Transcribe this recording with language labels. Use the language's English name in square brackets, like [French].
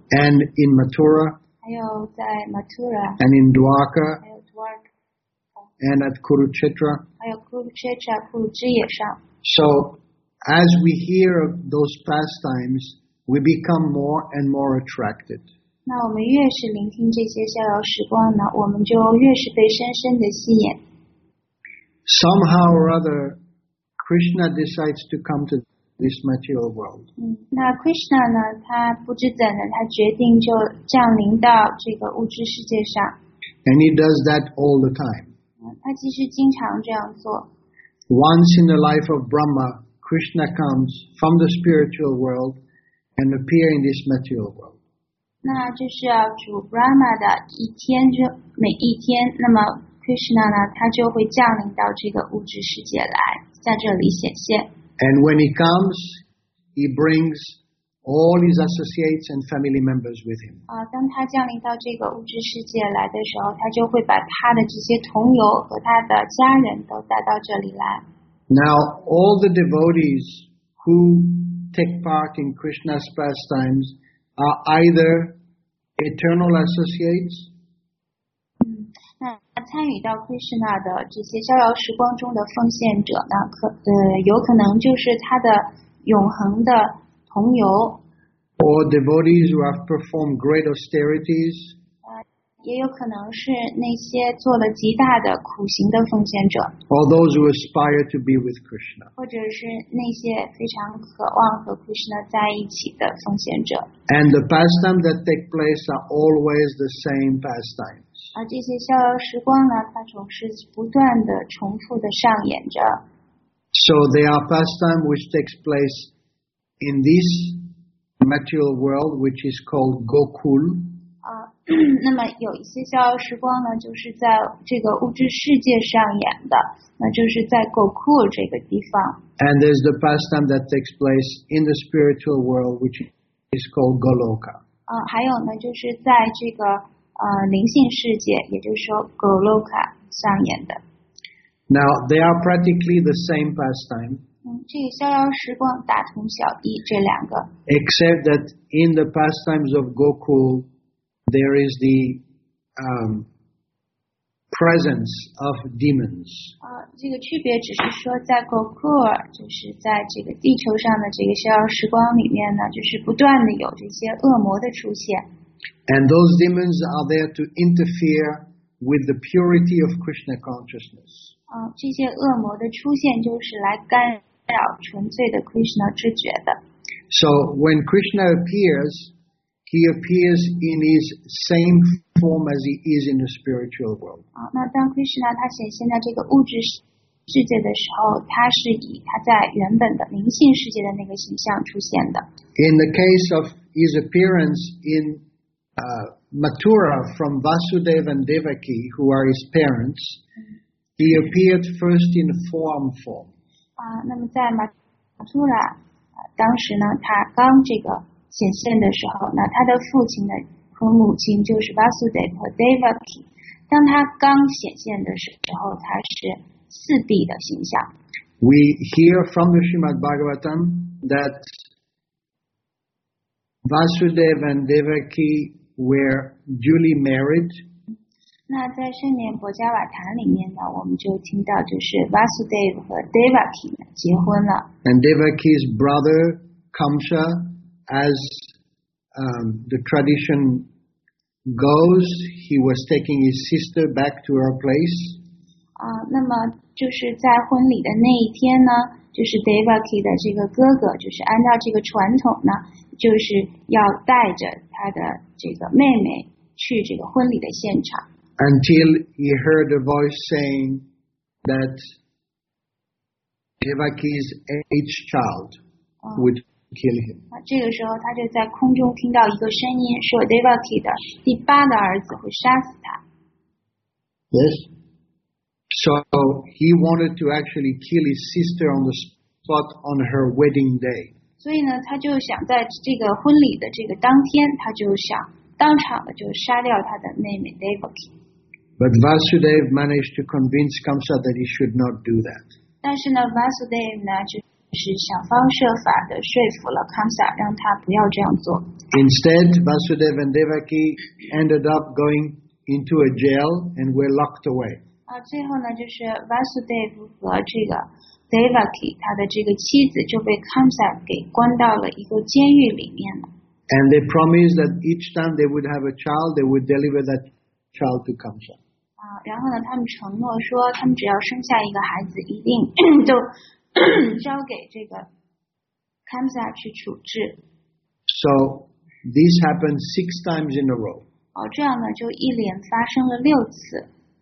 [English] And in Mathura. [Chinese] 还有在 Mathura. [English] And in Dwarka. [Chinese] 还有 Dwarka. [English] And at Kurukshetra. [Chinese] 还有 Kurukshetra 库鲁支野上。 [English] So, as we hear of those pastimes, we become more and more attracted. [Chinese] 那我们越是聆听这些逍遥时光呢，我们就越是被深深的吸引。 [English] Somehow or other. Krishna decides to come to this material world. [Chinese] 那 Krishna 呢？他不知怎的，他决定就降临到这个物质世界上。 [English] And he does that all the time. [Chinese] 他其实经常这样做。 [English] Once in the life of Brahma, Krishna comes from the spiritual world and appears in this material world. [Chinese] 那就是要主 Brahma 的一天，就每一天，那么 Krishna 呢，他就会降临到这个物质世界来。 [English] And when he comes, he brings all his associates and family members with him. [Chinese] 当他降临到这个物质世界来的时候，他就会把他的这些同友和他的家人都带到这里来。 [English] Now, all the devotees who take part in Krishna's pastimes are either eternal associates. [Chinese] 那参与到 Krishna 的这些逍遥时光中的奉献者呢，有可能就是他的永恒的同游。 [English] Or devotees who have performed great austerities. [Chinese] 也有可能是那些做了极大的苦行的奉献者。 [English] Or those who aspire to be with Krishna. [Chinese] 或者是那些非常渴望和 Krishna 在一起的奉献者。 [English] And the pastimes that take place are always the same pastimes. [Chinese] 这些逍遥时光呢，它总是不断的重复的上演着。 [English] So they are pastimes which takes place in this material world, which is called Gokul. [Chinese] 那么有一些逍遥时光呢，就是在这个物质世界上演的，那就是在 Gokul 这个地方。 [English] And there's the pastime that takes place in the spiritual world, which is called Goloka. [Chinese] 还有呢，就是在这个灵性世界，也就是说 Goloka 上演的。 [English] Now they are practically the same pastime. [Chinese] 这个逍遥时光大同小异，这两个。 [English] Except that in the pastimes of Gokul. There is the presence of demons. [Chinese] 这个区别只是说在 Gokul, 就是在这个地球上的这个逍遥时光里面呢，就是不断的有这些恶魔的出现。 [English] And those demons are there to interfere with the purity of Krishna consciousness. [Chinese] 这些恶魔的出现就是来干扰纯粹的 Krishna 知觉的。 [English] So when Krishna appears,He appears in his same form as he is in the spiritual world. [Chinese] 那当 Krishna 他显现在这个物质世界的时候，他是以他在原本的灵性世界的那个形象出现的。 [English] In the case of his appearance in Mathura from Vasudeva and Devaki, who are his parents, he appeared first in form form. [Chinese] 那么在 Mathura 当时呢，他刚这个。显现的时候，那他的父亲呢和母亲就是 Vasudeva 和 Devaki。当他刚显现的时候，他是四谛的形象。 [English] We hear from the Srimad Bhagavatam that Vasudeva and Devaki were duly married. [Chinese] 那在圣莲薄伽瓦坛里面呢，我们就听到就是 Vasudeva 和 Devaki 结婚了。 [English] And Devaki's brother Kamsa. As the tradition goes, he was taking his sister back to her place. [Chinese] 那么就是在婚礼的那一天呢，就是 Devaki 的这个哥哥，就是按照这个传统呢，就是要带着他的这个妹妹去这个婚礼的现场。 [English] Until he heard a voice saying that Devaki's eighth child would. Kill him. [Chinese] 这个时候他就在空中听到一个声音说 Devaki 的第八的儿子会杀死他。 [English] Yes. So he wanted to actually kill his sister on the spot on her wedding day. [Chinese] 所以呢他就想在这个婚礼的这个当天他就想当场的就杀掉他的妹妹 Devaki. [English] But Vasudeva managed to convince Kamsa that he should not do that. [Chinese] 但是呢 Vasudeva 呢就是想方设法的说服了 Kamsa 让他不要这样做。 [English] Instead, Vasudeva and Devaki ended up going into a jail and were locked away. [Chinese] 最后呢，就是 Vasudeva 和这个 Devaki 他的这个妻子就被 Kamsa 给关到了一个监狱里面了。 [English] And they promised that each time they would have a child, they would deliver that child to Kamsa. [Chinese] 然后呢，他们承诺说，他们只要生下一个孩子，一定就。交给这个 Kamsa 去处置。 [English] So this happened six times in a row. [Chinese] 这样呢就一连发生了六次。